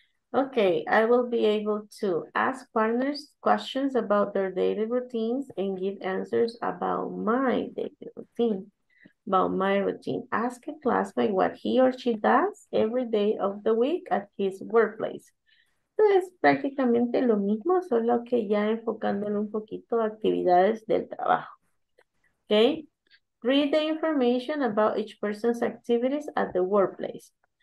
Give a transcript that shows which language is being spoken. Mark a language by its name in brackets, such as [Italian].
[English] Okay, I will be able to ask partners questions about their daily routines and give answers about my daily routine. About my routine. Ask a classmate what he or she does every day of the week at his workplace. [Spanish] Entonces, prácticamente lo mismo, solo que ya enfocándolo un poquito a actividades del trabajo. [English] Okay? Read the information about each person's activities at the workplace.